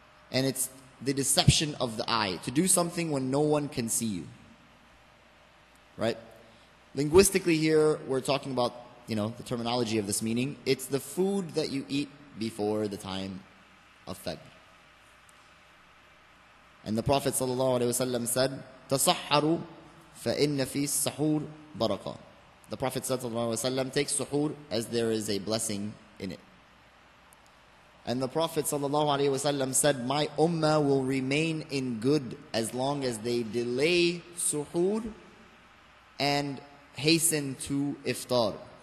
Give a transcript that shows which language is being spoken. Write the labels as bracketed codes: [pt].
[en] And it's the deception of the eye, to do something when no one can see you. Right? Linguistically here, we're talking about, you know, the terminology of this meaning. It's the food that you eat before the time of fajr. And the Prophet ﷺ said, [ar] تَصَحَّرُوا فَإِنَّ فِي السَّحُورِ بَرَكَةً. [en] The Prophet ﷺ takes suhoor as there is a blessing in it. And the Prophet ﷺ said, my ummah will remain in good as long as they delay suhoor and hasten to iftar.